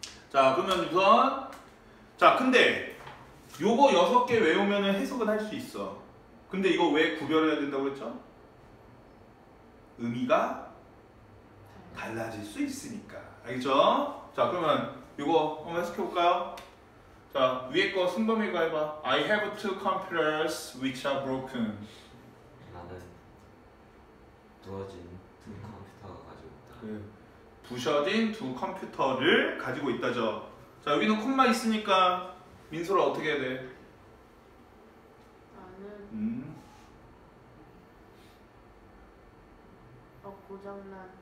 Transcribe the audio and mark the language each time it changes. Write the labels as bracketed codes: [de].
[ko] 자, 그러면 우선 자, 근데 요거 여섯 개 외우면 해석은 할 수 있어. 근데 이거 왜 구별해야 된다고 그랬죠? 의미가 달라질 수 있으니까. 알겠죠? 자, 그러면 요거 한번 해석해볼까요? 자, 위에 거 승범이가 해봐. [en] I have two computers which are broken. [ko] 나는 부서진 두 컴퓨터가 가지고 있다. 부서진 두 컴퓨터를 가지고 있다죠. 자, 여기는 콤마 있으니까 민소를 어떻게 해야 돼? 나는 고장난